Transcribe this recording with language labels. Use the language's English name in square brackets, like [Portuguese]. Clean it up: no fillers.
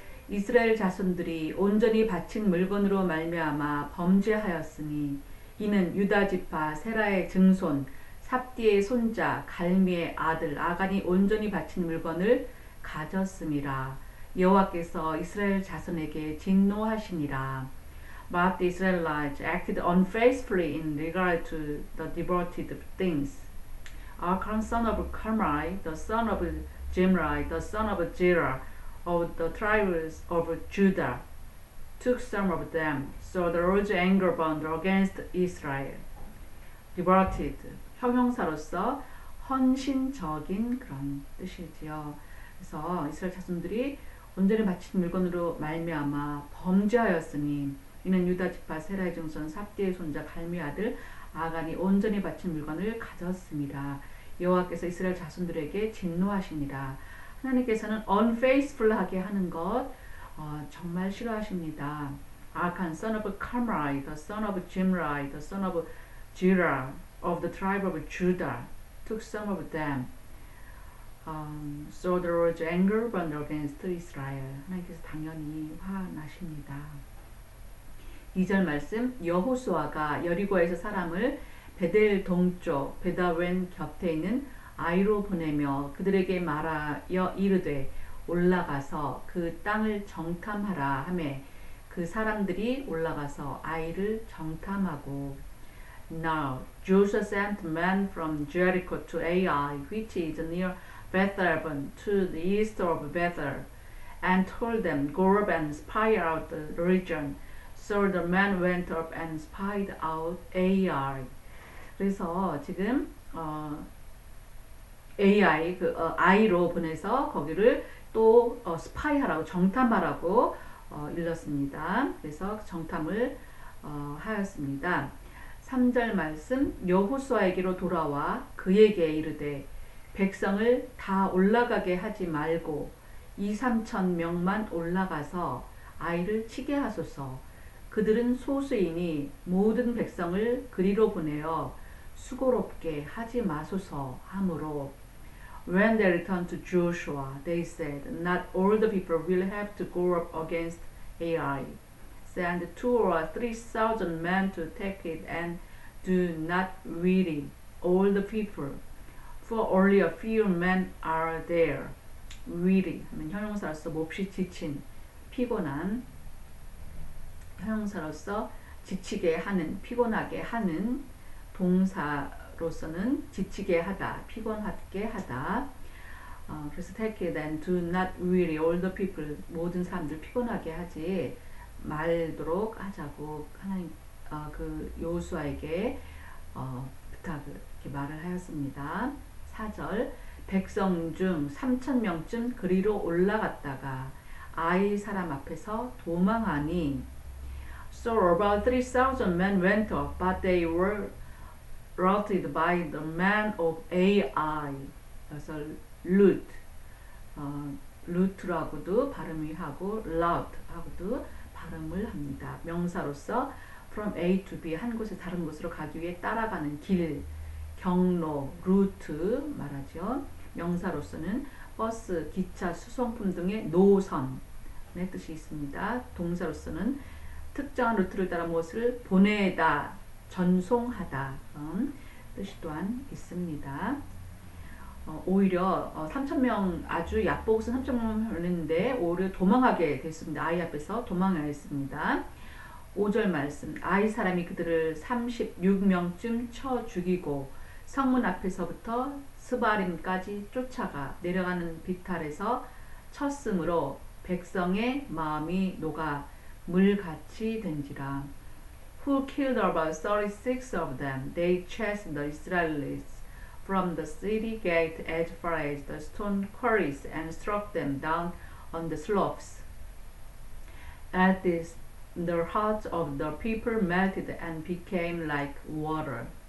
[Korean] 이스라엘 자손들이 온전히 바친 물건으로 말미암아 범죄하였으니 이는 유다지파 세라의 증손 삽디의 손자 갈미의 아들 아간이 온전히 바친 물건을 가졌음이라. 여호와께서 이스라엘 자손에게 진노하시니라. [English] But the Israelites acted unfaithfully in regard to the devoted things. Achan, son of Carmi, the son of Zimri, the son of Zerah, of the tribes of Judah, took some of them. So the Lord's anger burned against Israel. Devoted, [Korean] 형용사로서 헌신적인 그런 뜻이지요. 그래서 이스라엘 자손들이 온전히 바친 물건으로 말미암아 범죄하였으니 이는 유다지파 세라의 증손 삽디의 손자 갈미의 아들 아간이 온전히 바친 물건을 가졌습니다. 여호와께서 이스라엘 자손들에게 진노하십니다. 하나님께서는 unfaithful하게 하는 것 정말 싫어하십니다. [English] 아칸 son of Carmi, the son of Zimri, the son of Zerah of the tribe of Judah took some of them. So there was anger burned against Israel. [Korean] 하나님께서 당연히 화나십니다. 2절 말씀, 여호수아가 여리고에서 사람을 베델 동쪽 베다웬 곁에 있는 아이로 보내며 그들에게 말하여 이르되 올라가서 그 땅을 정탐하라 하매 그 사람들이 올라가서 아이를 정탐하고. [English] Now Joshua sent men from Jericho to Ai, which is near Bethlehem, to the east of Bethel, and told them, Go up and spy out the region. So the men went up and spied out Ai. [Korean] 그래서 지금 Ai 그 아이로 보내서 거기를 또 스파이하라고 정탐하라고 일렀습니다. 그래서 정탐을 하였습니다. 3절 말씀, 여호수아에게로 돌아와 그에게 이르되 백성을 다 올라가게 하지 말고 2-3천 명만 올라가서 아이를 치게 하소서. 그들은 소수이니 모든 백성을 그리로 보내어 수고롭게 하지 마소서 하므로. [English] When they returned to Joshua, they said, Not all the people will have to go up against Ai. Send 2,000 or 3,000 men to take it and do not weary all the people. For only a few men are there. Weary [Korean] 하면 형용사로서 몹시 지친, 피곤한. 형용사로서 지치게 하는, 피곤하게 하는, 동사로서는 지치게 하다, 피곤하게 하다. 그래서 [English] take it and do not weary all the people, [Korean] 모든 사람들 피곤하게 하지 말도록 하자고 하나님 그 여호수아에게 부탁을 이렇게 말을 하였습니다. 4절, 백성 중 3천 명쯤 그리로 올라갔다가 아이 사람 앞에서 도망하니. [English] So about 3,000 men went up, but they were routed by the men of Ai. [Korean] 그래서 룻, 룻라고도 발음이 하고 룻하고도 발음을 합니다. 명사로서 from A to B, 한 곳에 다른 곳으로 가기 위해 따라가는 길, 경로, 루트 말하죠. 명사로서는 버스, 기차, 수송품 등의 노선의 뜻이 있습니다. 동사로서는 특정한 루트를 따라 무엇을 보내다, 전송하다 뜻이 또한 있습니다. 오히려 3,000명 아주 약복은 3,000명이었는데 오히려 도망하게 됐습니다. 아이 앞에서 도망하게 됐습니다. 5절 말씀, 아이 사람이 그들을 36명쯤 쳐 죽이고 성문 앞에서부터 스바림까지 쫓아가 내려가는 비탈에서 쳤으므로 백성의 마음이 녹아 물같이 된지라. [English] Who killed about 36 of them? They chased the Israelites from the city gate as far as the stone quarries and struck them down on the slopes. At this, the hearts of the people melted and became like water.